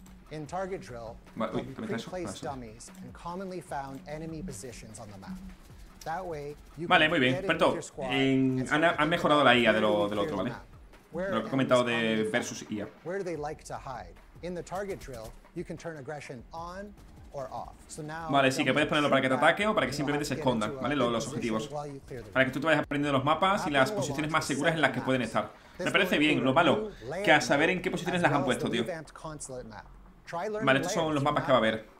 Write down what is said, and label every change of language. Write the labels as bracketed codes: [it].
[en] In target drill, we place dummies and commonly found enemy positions on the map. That way, you [es] vale, muy bien, perfecto. Han mejorado la IA de lo otro, ¿vale? De lo que he comentado de versus IA. [en] Where do they like to hide? In the target drill, you can turn aggression on or off. So now, [es] vale, sí, que puedes ponerlo para que te ataque o para que simplemente se esconda, ¿vale? Los objetivos. Para que tú te vayas aprendiendo los mapas y las posiciones más seguras en las que pueden estar. Me parece bien, lo malo, que a saber en qué posiciones las han puesto, tío. Vale, estos son los mapas que va a haber.